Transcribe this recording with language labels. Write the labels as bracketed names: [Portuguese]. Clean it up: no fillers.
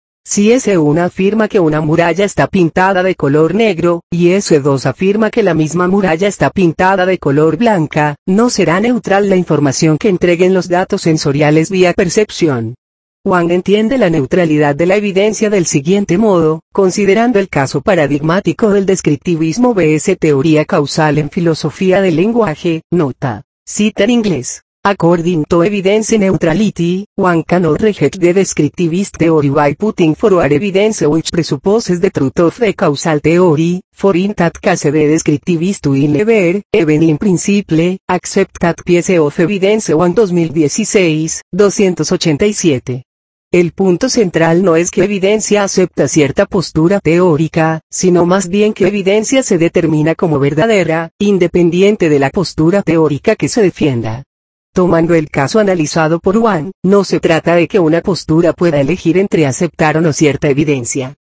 [Spanish] Si S1 afirma que una muralla está pintada de color negro, y S2 afirma que la misma muralla está pintada de color blanca, no será neutral la información que entreguen los datos sensoriales vía percepción. Wang entiende la neutralidad de la evidencia del siguiente modo, considerando el caso paradigmático del descriptivismo vs teoría causal en filosofía del lenguaje, nota. Cita en inglés. [English] According to evidence neutrality, one cannot reject the descriptivist theory by putting forward evidence which presupposes the truth of the causal theory, for in that case the descriptivist will never, even in principle, accept that piece of evidence. 1 2016, 287. [Spanish] El punto central no es que evidencia acepta cierta postura teórica, sino más bien que evidencia se determina como verdadera, independiente de la postura teórica que se defienda. Tomando el caso analizado por Wang, no se trata de que una postura pueda elegir entre aceptar o no cierta evidencia.